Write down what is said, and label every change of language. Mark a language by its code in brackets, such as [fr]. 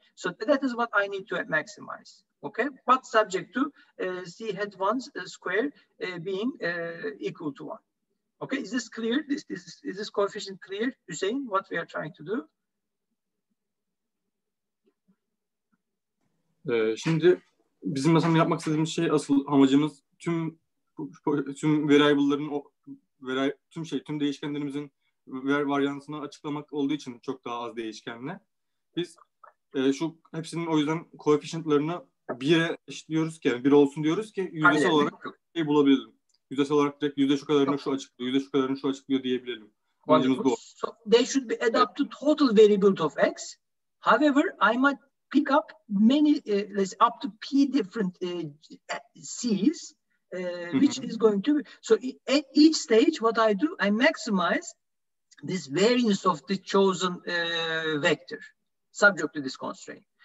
[en] So that is what I need to maximize, okay? But subject to C hat 1's square being equal to one. Okay, is this clear? Is this coefficient clear, Hussein, what we are trying to do? [tr] Şimdi bizim mesela yapmak istediğimiz şey, asıl amacımız tüm tüm variable'ların tüm değişkenlerimizin varyansını açıklamak olduğu için çok daha az değişkenle. Biz şu hepsinin o yüzden koefficientlarını 1'e eşitliyoruz ki, yani 1 olsun diyoruz ki yüzdesel olarak şey bulabilirim. Yüzdesel olarak direkt yüzde şu kadarını şu açıklıyor, yüzde şu kadarını şu açıklıyor diyebilirim. Amacımız bu. [en] So they should be adapt to total variable of x. However, I might pick up many, let's say up to p different c's. Which is going to be, so at each stage what I do, I maximize this variance of the chosen vector subject to this constraint.